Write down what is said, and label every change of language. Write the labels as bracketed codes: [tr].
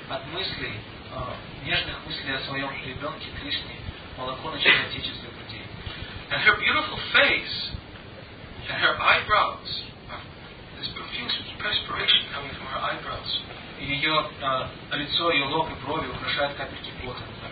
[ru] От мыслей, нежных мыслей о своем ребенке Кришне, молоко начинает течь из ее груди. [en] And her beautiful face and her eyebrows, this profuse perspiration coming from her eyebrows. [ru] И ее лицо, ее лоб и брови украшают капельки пота.